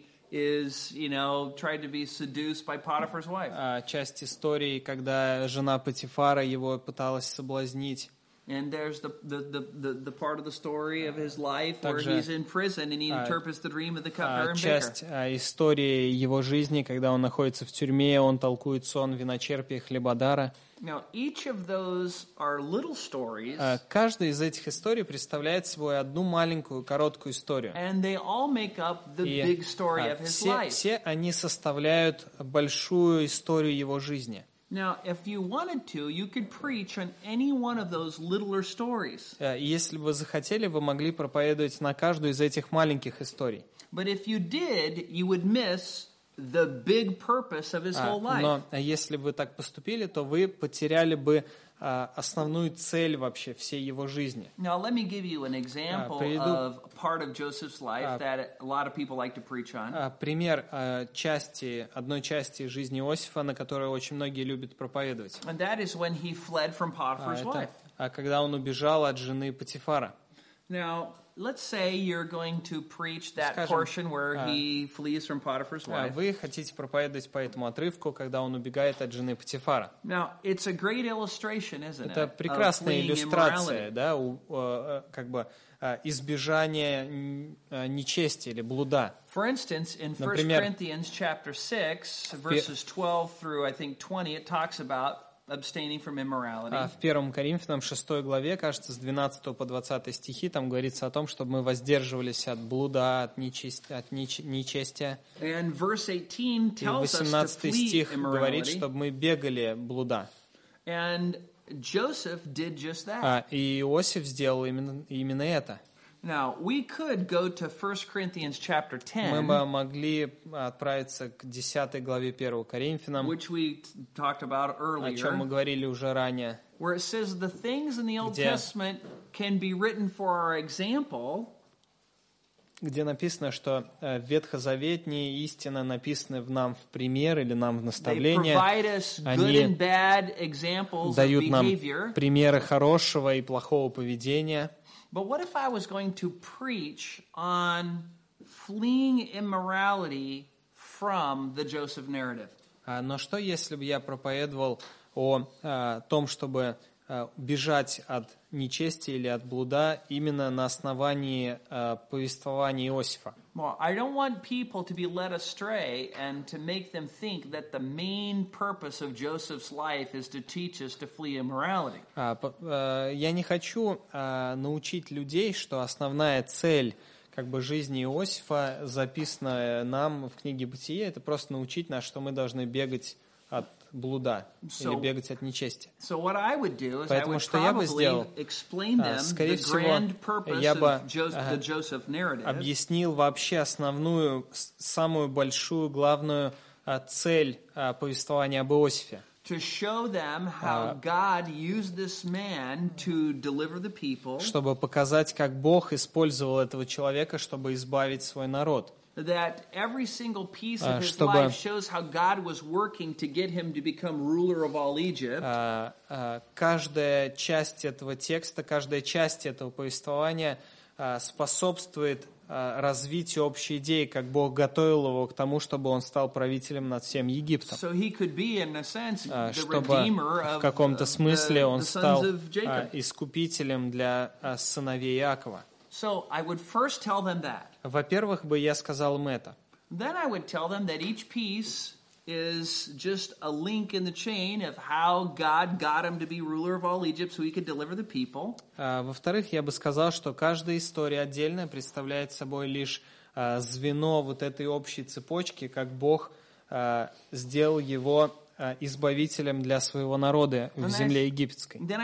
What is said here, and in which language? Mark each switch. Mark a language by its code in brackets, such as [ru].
[en] Is, you know, tried to be seduced by Potiphar's wife. [ru] Часть истории, когда жена Потифара его пыталась соблазнить. [en] And there's the part of the story of his life where he's in prison and he interprets the dream of the cupbearer and baker. [ru] Часть истории его жизни, когда он находится в тюрьме, он толкует сон виночерпия хлебодара. [en] Now each of those are little stories. [ru] Каждая из этих историй представляет собой одну маленькую короткую историю. [en] And they all make up the big story of his life. [ru] Все они составляют большую историю его жизни. [en] Now, if you wanted to, you could preach on any one of those littler stories. [ru] Если бы вы захотели, вы могли проповедовать на каждую из этих маленьких историй. [en] But if you did, you would miss the big purpose of his whole life. [ru] Но если бы вы так поступили, то вы потеряли бы основную цель вообще всей его жизни. [en] Now, let me give you an example of part of Joseph's life that a lot of people like to preach on. [ru] Пример части, одной части жизни Иосифа, на которую очень многие любят проповедовать. [en] And that is when he fled from Potiphar's wife. [ru] Когда он убежал от жены Потифара. [en] Now, let's say you're going to preach that portion where he flees from Potiphar's wife. [ru] Вы хотите проповедовать по этому отрывку, когда он убегает от жены Потифара. [en] Now, it's a great illustration, isn't it? [ru] Это прекрасная иллюстрация, да, как бы избежание нечести или блуда. [en] For instance, in 1 Corinthians chapter 6, verses 12 through I think 20, it talks about abstaining from immorality. [ru] В 1 Коринфянам 6 главе, кажется, с 12 по 20 стихи, там говорится о том, чтобы мы воздерживались от блуда, от нечестия. [en] And verse 18 tells us to flee immorality. [ru] 18 стих говорит, чтобы мы бегали блуда. [en] And Joseph did just that. [ru] И Иосиф сделал именно это. [en] Now, we could go to 1 Corinthians chapter 10. [ru] Мы бы могли отправиться к 10 главе 1 Коринфянам, [en] which we talked about earlier. [ru] О чём мы говорили уже ранее. [en] Where it says the things in the Old Testament can be written for our example. [ru] Где написано, что ветхозаветные истины написаны в нам в пример или нам в наставление. Они дают нам примеры хорошего и плохого поведения. [en] But what if I was going to preach on fleeing immorality from the Joseph narrative? [ru] Но что, если бы я проповедовал о том, чтобы бежать от нечестия или от блуда именно на основании повествования Иосифа? [en] Well, I don't want people to be led astray and to make them think that the main purpose of Joseph's life is to teach us to flee immorality. [ru] Я не хочу научить людей, что основная цель как бы жизни Иосифа записана нам в книге Бытие, это просто научить нас, что мы должны бегать от блуда или бегать от нечестия. [en] So what I would do is [ru] Поэтому, что я бы сделал, скорее всего, я бы объяснил вообще основную, самую большую, главную цель повествования об Иосифе. [en] To show them how God used this man to deliver the people. [ru] Чтобы показать, как Бог использовал этого человека, чтобы избавить свой народ. [en] That every single piece of his [ru] чтобы, [en] life shows how God was working to get him to become ruler of all Egypt. [ru] Каждая часть этого текста, каждая часть этого повествования способствует развитию общей идеи, как Бог готовил его к тому, чтобы он стал правителем над всем Египтом. [en] So he could be, in a sense, [ru] чтобы в каком-то смысле он стал искупителем для сыновей Иакова. [en] So I would first tell them that. [ru] Во-первых, бы я сказал им это. [en] Then I would tell them that each piece is just a link in the chain of how God got him to be ruler of all Egypt so he could deliver the people. [ru] Во-вторых, я бы сказал, что каждая история отдельно представляет собой лишь звено вот этой общей цепочки, как Бог сделал его избавителем для своего народа в земле египетской.